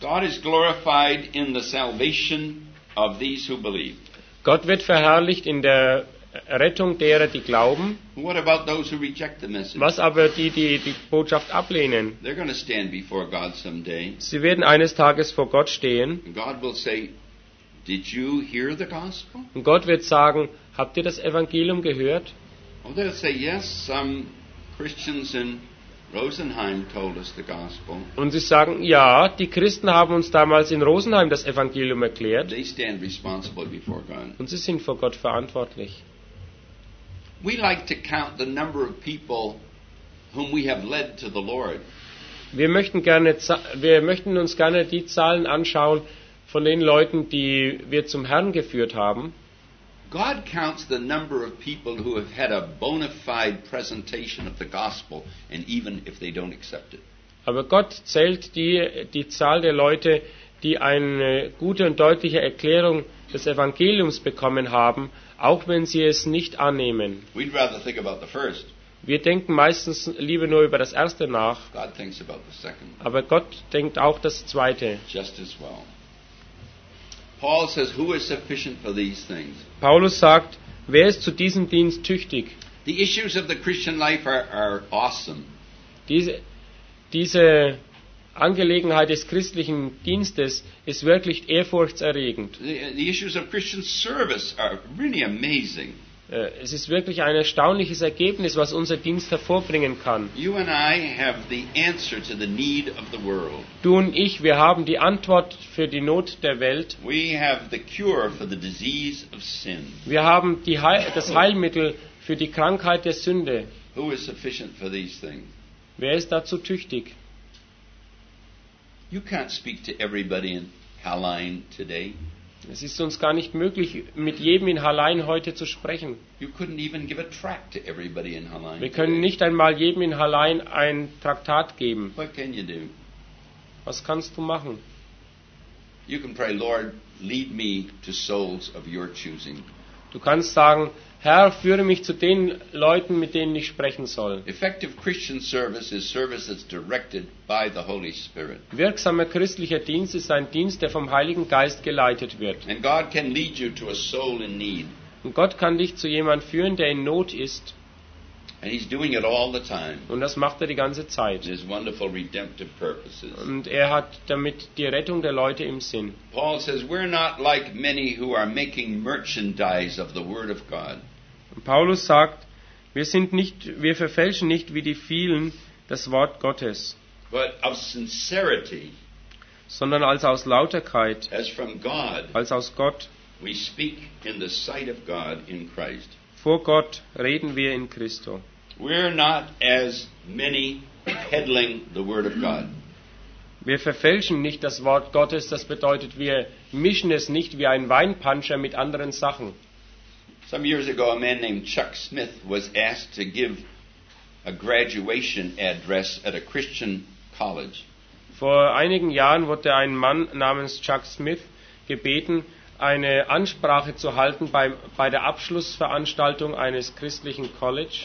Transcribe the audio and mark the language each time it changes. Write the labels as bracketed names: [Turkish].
[English] God is glorified in the salvation of these who believe. [German] Gott wird verherrlicht in der Rettung derer, die glauben. [English] What about those who reject the message? [German] Was aber die Botschaft ablehnen? [English] They're going to stand before God someday. [German] Sie werden eines Tages vor Gott stehen. [English] God will say, did you hear the gospel? [German] Und Gott wird sagen, habt ihr das Evangelium gehört? [English] Or they'll say, yes, some Christians in Rosenheim told us the gospel. [German] Und sie sagen, ja, die Christen haben uns damals in Rosenheim das Evangelium erklärt. [English] They stand responsible before God. [German] Und sie sind vor Gott verantwortlich. [English] We like to count the number of people whom we have led to the Lord. [German] Wir möchten uns gerne die Zahlen anschauen von den Leuten, die wir zum Herrn geführt haben. [English] God counts the number of people who have had a bona fide presentation of the gospel, and even if they don't accept it. [German] Aber Gott zählt die Zahl der Leute, die eine gute und deutliche Erklärung des Evangeliums bekommen haben, auch wenn sie es nicht annehmen. [English] We'd rather think about the first. [German] Wir denken meistens lieber nur über das Erste nach. [English] God thinks about the second. [German] Aber Gott denkt auch das Zweite. [English] Just as well. Paul says, "Who is sufficient for these things?" [German] Paulus sagt, wer ist zu diesem Dienst tüchtig? [English] The issues of the Christian life are awesome. [German] Diese Angelegenheit des christlichen Dienstes ist wirklich ehrfurchtserregend. [English] The issues of Christian service are really amazing. [German] Es ist wirklich ein erstaunliches Ergebnis, was unser Dienst hervorbringen kann. [English] You and I have the answer to the need of the world. [German] Du und ich, wir haben die Antwort für die Not der Welt. [English] We have the cure for the disease of sin. [German] Wir haben das Heilmittel für die Krankheit der Sünde. [English] Who is sufficient for these things? [German] Wer ist dazu tüchtig? [English] You can't speak to everybody in Hallein today. [German] Es ist uns gar nicht möglich, mit jedem in Hallein heute zu sprechen. [English] You couldn't even give a tract to everybody in Hallein. [German] Wir können nicht einmal jedem in Hallein ein Traktat geben. [English] What can you do? [German] Was kannst du machen? [English] You can pray, Lord, lead me to souls of your choosing. [German] Du kannst sagen, Herr, führe mich zu den Leuten, mit denen ich sprechen soll. [English] Effective Christian service is service that's directed by the Holy Spirit. [German] Wirksamer christlicher Dienst ist ein Dienst, der vom Heiligen Geist geleitet wird. [English] And God can lead you to a soul in need. [German] Und Gott kann dich zu jemand führen, der in Not ist. [English] And he's doing it all the time. [German] Und das macht er die ganze Zeit. [English] His wonderful redemptive purposes. [German] Und er hat damit die Rettung der Leute im Sinn. [English] Paul says, we're not like many who are making merchandise of the word of God. [German] Und Paulus sagt, wir verfälschen nicht wie die vielen das Wort Gottes. [English] But of sincerity, [German] sondern als aus Lauterkeit, [English] as from God, [German] als aus Gott, [English] we speak in the sight of God in Christ. [German] Vor Gott reden wir in Christo. [English] We're not as many peddling the word of God. [German] Wir verfälschen nicht das Wort Gottes, das bedeutet, wir mischen es nicht wie ein Weinpanscher mit anderen Sachen. [English] Some years ago a man named Chuck Smith was asked to give a graduation address at a Christian college. [German] Vor einigen Jahren wurde ein Mann namens Chuck Smith gebeten, eine Ansprache zu halten bei der Abschlussveranstaltung eines christlichen College.